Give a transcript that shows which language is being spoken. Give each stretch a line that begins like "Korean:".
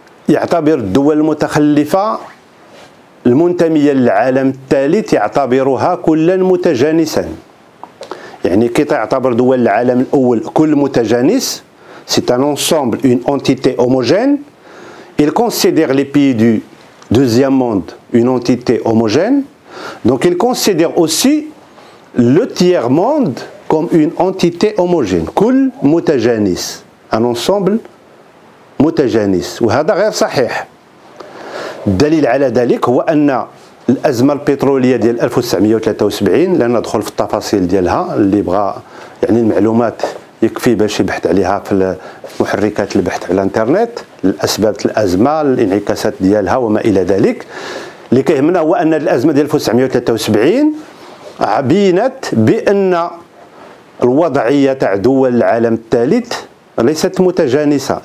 Arabic: يعتبر الدول المتخلفة المنتمية للعالم الثالث يعتبرها كلا متجانسا. يعني كي تعتبر دول العالم الأول كل متجانس
French: c'est un ensemble, une entité homogène. Il considère les pays du deuxième monde une entité homogène. Donc il considère aussi le tiers monde comme une entité homogène.
Arabic: كل متجانس.
French: Un ensemble متجانس.
Arabic: وهذا غير صحيح. الدليل على ذلك هو أن الأزمة البترولية ديال 1973 لن ندخل في التفاصيل ديالها اللي بغى يعني المعلومات يكفي باش يبحث عليها في محركات البحث على الانترنت الأسباب الأزمة الانعكاسات ديالها وما إلى ذلك اللي كيهمنا هو أن الأزمة ديال 1973 عبينت بأن الوضعية تاع دول العالم الثالث ليست متجانسة.